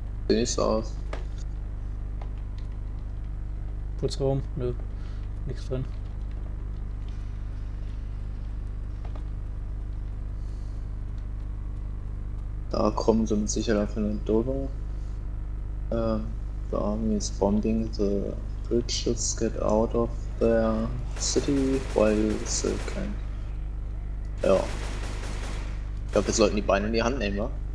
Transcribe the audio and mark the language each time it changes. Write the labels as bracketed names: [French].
[German] Sieht nicht so aus. Putzraum? Nö. Nichts drin. Da kommen sie mit Sicherheit auf eine Entdeckung. [English] The army is bombing the bridges. Get out of their city while you still can. [German] Ja. Ich glaube, wir sollten die Beine in die Hand nehmen, wa?